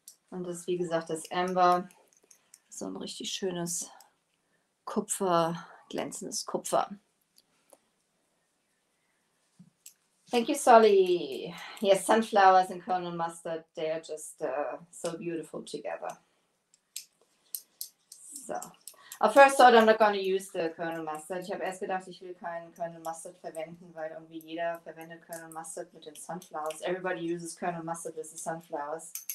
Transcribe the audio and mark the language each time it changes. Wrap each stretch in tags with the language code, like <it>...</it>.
<de>Und das ist wie gesagt das Amber. So ein richtig schönes Kupfer, glänzendes Kupfer.</de> <en>Thank you, Solly. Yes, sunflowers and kernel mustard, they are just so beautiful together. So, at first thought I'm not going to use the kernel mustard.</en> <de>Ich habe erst gedacht, ich will keinen kernel mustard verwenden, weil irgendwie jeder verwendet kernel mustard mit den sunflowers.</de> <en>Everybody uses kernel mustard with the sunflowers.</en>